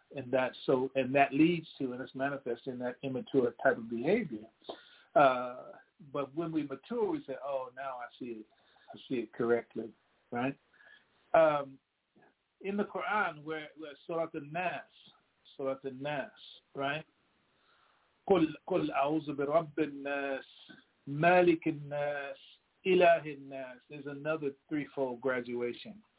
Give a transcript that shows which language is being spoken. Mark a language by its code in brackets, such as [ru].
[en] And that leads to, and it's manifest in that immature type of behavior. But when we mature, we say, oh, now I see it correctly, right? In the Quran, where Surat al-Nas, right? [ar] قل أعوذ برب الناس مالك الناس إله الناس. [en] There's another threefold graduation.